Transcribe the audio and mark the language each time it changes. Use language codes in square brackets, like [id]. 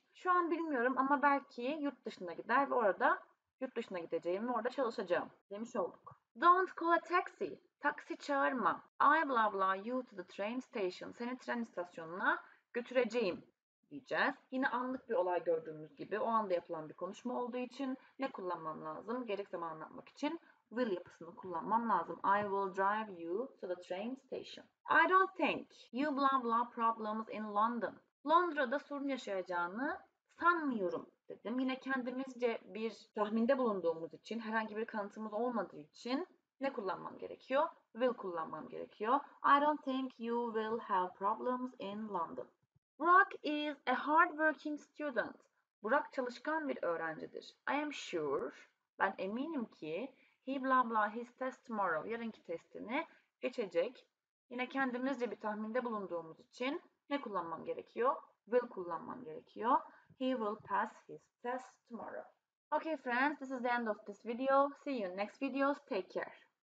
[tr] Şu an bilmiyorum ama belki yurt dışına gider ve orada yurt dışına gideceğim ve orada çalışacağım demiş olduk. [en] Don't call a taxi. [tr] Taksi çağırma. [en] I blah blah you to the train station. [tr] Seni tren istasyonuna götüreceğim diyeceğiz. Yine anlık bir olay gördüğümüz gibi o anda yapılan bir konuşma olduğu için ne kullanmam lazım? Gerek zaman anlatmak için will yapısını kullanmam lazım. [en] I will drive you to the train station. I don't think you blah blah problems in London. [tr] Londra'da sorun yaşayacağını sanmıyorum dedim. Yine kendimizce bir tahminde bulunduğumuz için herhangi bir kanıtımız olmadığı için ne kullanmam gerekiyor? Will kullanmam gerekiyor. [en] I don't think you will have problems in London. Burak is a hardworking student. [tr] Burak çalışkan bir öğrencidir. [en] I am sure, [tr] ben eminim ki, [en] he blah blah his test tomorrow, [tr] yarınki testini geçecek. Yine kendimizce bir tahminde bulunduğumuz için ne kullanmam gerekiyor? Will kullanmam gerekiyor. [en] He will pass his test tomorrow. Okay friends, this is the end of this video. See you next videos. Take care.